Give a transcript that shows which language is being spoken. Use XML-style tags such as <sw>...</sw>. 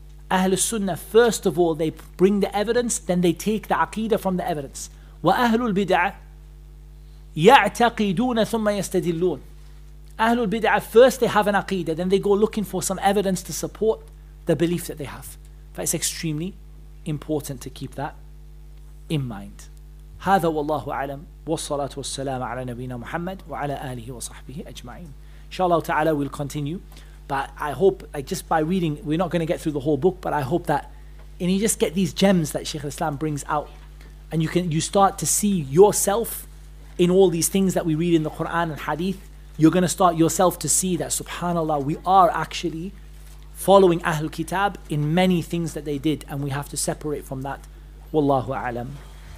<en>Ahl al-Sunnah, first of all, they bring the evidence, then they take the aqeedah from the evidence.</en> <ar>وَأَهْلُ الْبِدْعَةِ يَعْتَقِدُونَ ثُمَّ يَسْتَدِلُّونَ.</ar> <en>Ahl al-Bid'ah, first they have an aqeedah, then they go looking for some evidence to support the belief that they have. But it's extremely important to keep that in mind.</en> <ar>هذا والله أعلم والصلاة والسلام على نبينا محمد وعلى آله وصحبه أجمعين.</ar> <en>Inshallah ta'ala, we'll continue. But I hope, like, just by reading, we're not going to get through the whole book, but I hope that, and you just get these gems that Shaykh al-Islam brings out, and you start to see yourself in all these things that we read in the Quran and Hadith. You're going to start yourself to see that, subhanAllah, we are actually following Ahlul Kitab in many things that they did, and we have to separate from that. Wallahu A'lam.</en>